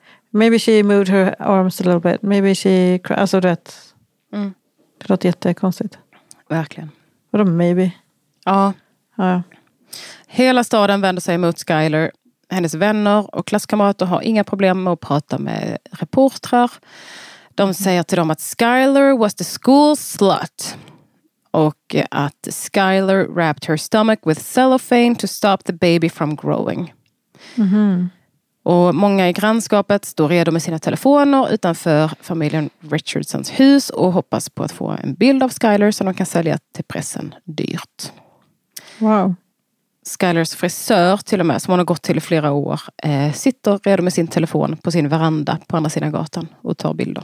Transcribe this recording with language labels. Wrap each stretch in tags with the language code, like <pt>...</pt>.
<en>Maybe she moved her arms a little bit. Maybe she cried.</en> <sv>Alltså rätt. Mm. Det låter jättekonstigt. Verkligen. Vadå maybe? Ja. Ja. Hela staden vänder sig mot Skyler. Hennes vänner och klasskamrater har inga problem med att prata med reportrar. De säger till dem att Skyler</sv> <en>was the school slut.</en> <sv>Och att</sv> <en>Skyler wrapped her stomach with cellophane to stop the baby from growing. Mm-hmm.</en> <sv>Och många i grannskapet står redo med sina telefoner utanför familjen Richardsons hus och hoppas på att få en bild av Skyler som de kan sälja till pressen dyrt. Wow. Skylers frisör till och med, som hon har gått till i flera år, sitter redo med sin telefon på sin veranda på andra sidan gatan och tar bilder.</sv>